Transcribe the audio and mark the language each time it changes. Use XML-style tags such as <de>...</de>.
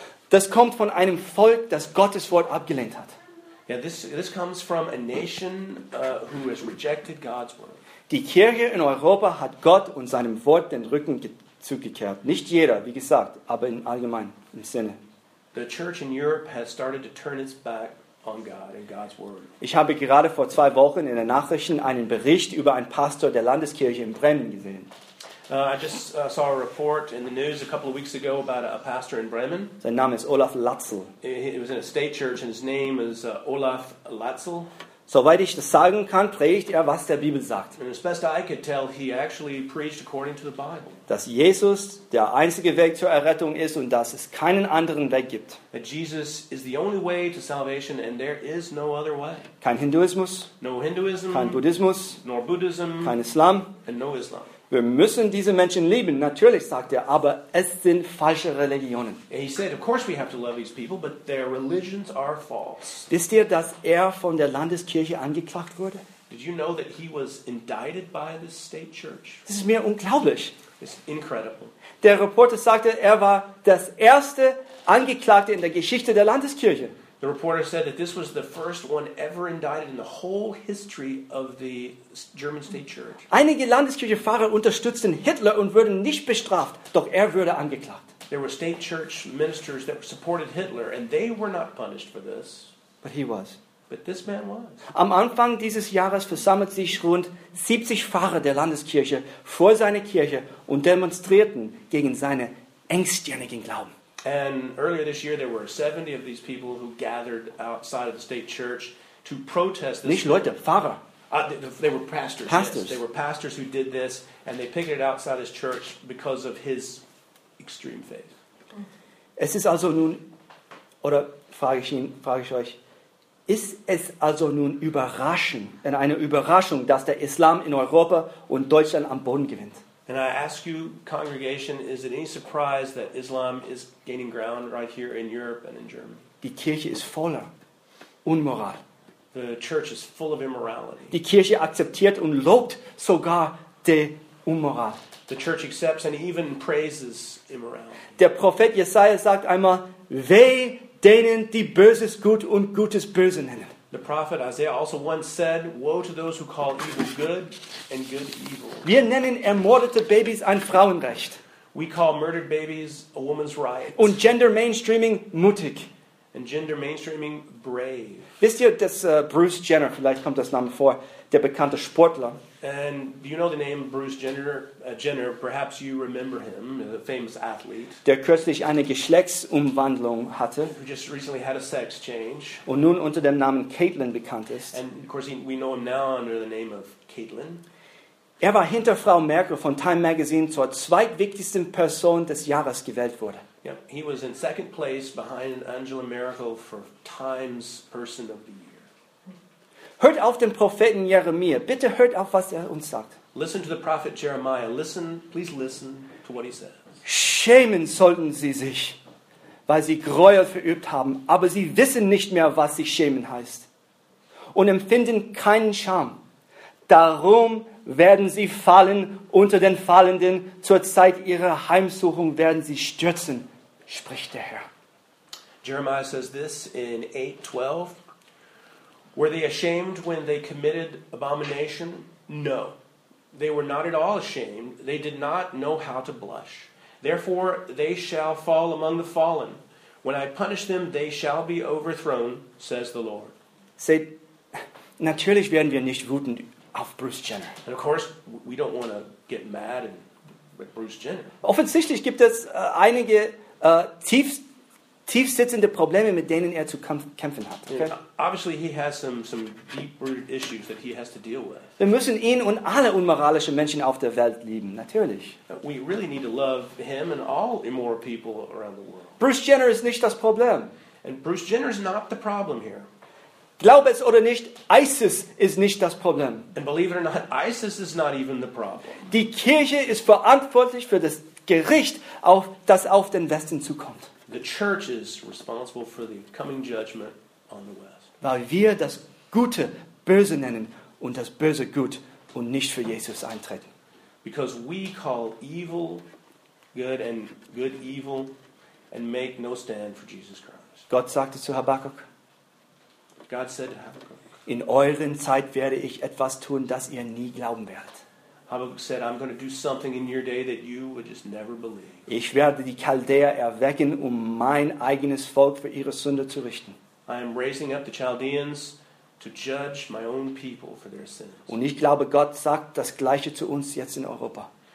<de>Das kommt von einem Volk, das Gottes Wort abgelehnt hat.</de> <en>Yeah, this comes from a nation who has rejected God's word.</en> <de>Die Kirche in Europa hat Gott und seinem Wort den Rücken zugekehrt. Nicht jeder, wie gesagt, aber im allgemeinen Sinne.</de> <en>The church in Europe has started to turn its back on God and God's word.</en> <de>Ich habe gerade vor 2 Wochen in den Nachrichten einen Bericht über einen Pastor der Landeskirche in Bremen gesehen.</de> <en>I just saw a report in the news a couple of weeks ago about a pastor in Bremen.</en> <de>Sein Name ist Olaf Latzel.</de> <en>It was in a state church and his name is Olaf Latzel.</en> <de>Soweit ich das sagen kann, predigt er, was der Bibel sagt.</de> <en>And as best I could tell, he actually preached according to the Bible.</en> <de>Dass Jesus der einzige Weg zur Errettung ist und dass es keinen anderen Weg gibt.</de> <en>That Jesus is the only way to salvation and there is no other way.</en> <de>Kein Hinduismus.</de> <en>No Hinduism.</en> <de>Kein Buddhismus.</de> <en>Nor Buddhism.</en> <de>Kein Islam.</de> <en>And no Islam.</en> <de>Wir müssen diese Menschen lieben, natürlich, sagt er, aber es sind falsche Religionen.</de> <en>He said, of course we have to love these people, but their religions are false.</en> <de>Wisst ihr, dass er von der Landeskirche angeklagt wurde?</de> <en>Did you know that he was indicted by the state church?</en> <de>Das ist mir unglaublich.</de> <en>It's incredible.</en> <de>Der Reporter sagte, er war das erste Angeklagte in der Geschichte der Landeskirche.</de> <en>The reporter said that this was the first one ever indicted in the whole history of the German state church.</en> <de>Einige Landeskirchenpfarrer unterstützten Hitler und wurden nicht bestraft, doch er wurde angeklagt.</de> <en>There were state church ministers that supported Hitler and they were not punished for this. But he was. But this man was.</en> <de>Am Anfang dieses Jahres versammelt sich rund 70 Pfarrer der Landeskirche vor seiner Kirche und demonstrierten gegen seine engstirnigen Glauben.</de> <en>And earlier this year there were 70 of these people who gathered outside of the state church to protest this.</en> <de>Nicht Leute, Pfarrer.</de> <en>They were pastors. Pastors. Yes. They were pastors who did this and they picketed outside his church because of his extreme faith.</en> <de>Es ist also nun, oder frage ich euch, ist es also nun überraschend, eine Überraschung, dass der Islam in Europa und Deutschland am Boden gewinnt?</de> <en>And I ask you, congregation, is it any surprise that Islam is gaining ground right here in Europe and in Germany?</en> <de>Die Kirche ist voller Unmoral.</de> <en>The church is full of immorality.</en> <de>Die Kirche akzeptiert und lobt sogar die Unmoral.</de> <en>The church accepts and even praises immorality.</en> <de>Der Prophet Jesaja sagt einmal, weh denen, die Böses gut und Gutes böse nennen.</de> <en>The prophet Isaiah also once said, woe to those who call evil good and good evil.</en> <de>Wir nennen ermordete Babys ein Frauenrecht.</de> <en>We call murdered babies a woman's right.</en> <de>Und gender mainstreaming mutig.</de> <en>And gender mainstreaming brave.</en> <de>Wisst ihr, dass Bruce Jenner, vielleicht kommt das Name vor, der bekannte Sportler.</de> <en>And do you know the name Bruce Jenner? Jenner, perhaps you remember him, the famous athlete.</en> <de>Der kürzlich eine Geschlechtsumwandlung hatte.</de> <en>Who just recently had a sex change.</en> <de>Und nun unter dem Namen Caitlyn bekannt ist.</de> <en>And of course we know him now under the name of Caitlyn.</en> <de>Er war hinter Frau Merkel von Time Magazine zur zweitwichtigsten Person des Jahres gewählt wurde.</de> <en>Yep, he was in second place behind Angela Merkel for Time's Person of the Year.</en> <de>Hört auf den Propheten Jeremia. Bitte hört auf, was er uns sagt.</de> <en>Listen to the prophet Jeremiah. Listen, please listen to what he says.</en> <de>Schämen sollten sie sich, weil sie Gräuel verübt haben, aber sie wissen nicht mehr, was sich schämen heißt und empfinden keinen Scham. Darum werden sie fallen unter den Fallenden. Zur Zeit ihrer Heimsuchung werden sie stürzen, spricht der Herr.</de> <en>Jeremiah says this in 8:12. Were they ashamed when they committed abomination? No. They were not at all ashamed. They did not know how to blush. Therefore they shall fall among the fallen. When I punish them, they shall be overthrown, says the Lord.</en> <de>Seht, natürlich werden wir nicht wütend auf Bruce Jenner.</de> <en>And of course, we don't want to get mad with Bruce Jenner.</en> <de>Offensichtlich gibt es einige tief sitzende Probleme, mit denen er zu kämpfen hat.</de> <en>Okay? Obviously, he has some deep-rooted issues that he has to deal with.</en> <de>Wir müssen ihn und alle unmoralischen Menschen auf der Welt lieben, natürlich.</de> <en>We really need to love him and all immoral people around the world.</en> <de>Bruce Jenner ist nicht das Problem.</de> <en>And Bruce Jenner is not the problem here.</en> <de>Glaub es oder nicht, ISIS ist nicht das Problem.</de> <en>And believe it or not, ISIS is not even the problem.</en> <de>Die Kirche ist verantwortlich für das Gericht, das auf den Westen zukommt.</de> <en>The church is responsible for the coming judgment on the West.</en> <de>Weil wir das Gute böse nennen und das Böse gut und nicht für Jesus eintreten.</de> <en>Because we call evil good and good evil and make no stand for Jesus Christ.</en> <de>Gott sagte zu Habakkuk.</de> <en>God said to Habakkuk,</en> <de>in euren Zeit werde ich etwas tun, das ihr nie glauben werdet.</de> <en>Habakkuk said, I'm going to do something in your day that you would just never believe.</en> <de>Ich werde die Chaldäer erwecken, um mein eigenes Volk für ihre Sünde zu richten.</de> <en>I am raising up the Chaldeans to judge my own people for their sins.</en> <de>Und ich glaube, Gott sagt das Gleiche zu uns jetzt in Europa.</de>